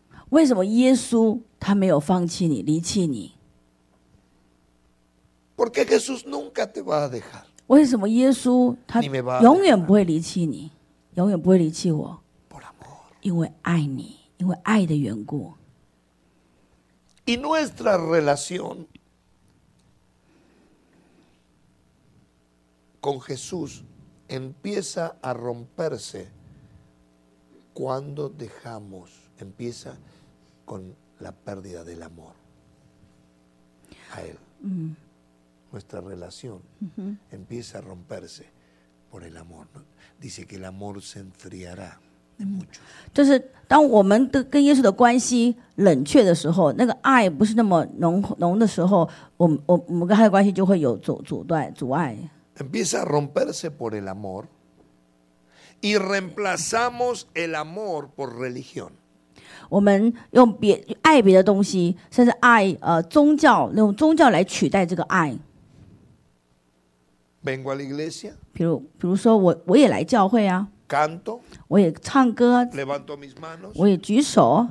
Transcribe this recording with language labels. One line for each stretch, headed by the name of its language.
Chinese: 为什么耶稣他没有放弃你，离弃你？
Spanish: Porque Jesús nunca te va a dejar.
Chinese: 为什么耶稣他永远不会离弃你，永远不会离弃我？
Spanish: Por amor.
Chinese: 因为爱你，因为爱的缘故。
Spanish: Y nuestra relación con Jesús empieza a romperse cuando dejamos, empieza con la pérdida del amor a él. Nuestra relación empieza a romperse por el amor. Dice que el amor se enfriará de mucho.
Chinese: 就是当我们的跟耶稣的关系冷却的时候，那个爱不是那么浓的时候，我们跟他的关系就会有阻断阻碍。
Spanish: Empieza a romperse por el amor y reemplazamos el amor por religión.
Chinese: 我们用爱别的东西，甚至爱宗教，用宗教来取代这个爱。
Spanish: Vengo a la iglesia.
Chinese: 比如说我也来教会啊。
Spanish: Canto.
Chinese: 我也唱歌。
Spanish: Levanto mis manos.
Chinese: 我也举手。